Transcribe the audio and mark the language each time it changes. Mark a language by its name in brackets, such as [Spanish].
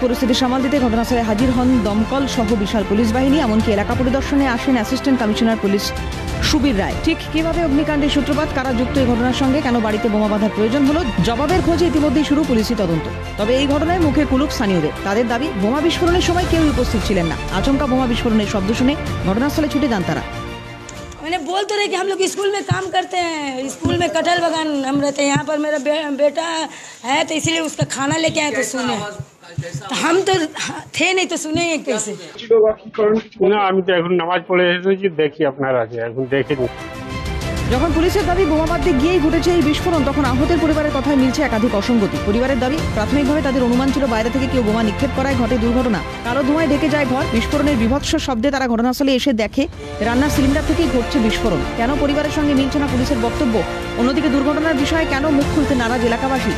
[Bangla] পরিস্থিতি সামাল দিতে ঘটনাস্থলে হাজির হন দমকল সহ বিশাল পুলিশ বাহিনী, এমনকি এলাকা পরিদর্শনে আসেন অ্যাসিস্ট্যান্ট কমিশনার পুলিশ সুবীর রায়। ঠিক কিভাবে অগ্নিকাণ্ডের সূত্রপাত, কারা যুক্ত এই ঘটনার সঙ্গে, কেন বাড়িতে বোমা বাঁধার প্রয়োজন হলো, জবাবের খোঁজে ইতিমধ্যেই শুরু পুলিশি তদন্ত। তবে এই ঘটনায় মুখে কুলুপ স্থানীয়দের। তাদের দাবি, বোমা বিস্ফোরণের সময় কেউ উপস্থিত ছিলেন না। আচমকা বোমা বিস্ফোরণের শব্দ শুনে ঘটনাস্থলে ছুটে যান তারা। [Hindi] मैंने बोल तो रहे कि हम लोग स्कूल में काम करते हैं, स्कूल में कटहल बगान हम रहते हैं, यहाँ पर मेरा बेटा है तो इसीलिए उसका खाना लेके आए। तो सुने हम तो थे नहीं, तो सुने कैसे नमाज पढ़े देखिए अपना राज्य देखे। [Bangla] যখন পুলিশের দাবি বোমা বাঁধতে গিয়েই ঘটেছে এই বিস্ফোরণ, তখন আহতের পরিবারের কথায় মিলছে একাধিক অসঙ্গতি। পরিবারের দাবি, প্রাথমিকভাবে তাদের অনুমান ছিল বাইরে থেকে কেউ বোমা নিক্ষেপ করায় ঘটে দুর্ঘটনা। কালো ধোঁয়ায় ঢেকে যায় ঘর, বিস্ফোরণের বীভৎস শব্দে তারা ঘটনাস্থলে এসে দেখে রান্নার সিলিন্ডার থেকেই ঘটছে বিস্ফোরণ। কেন পরিবারের সঙ্গে মিলছে না পুলিশের বক্তব্য? অন্যদিকে দুর্ঘটনার বিষয়ে কেন মুখ খুলতে নারাজ এলাকাবাসী?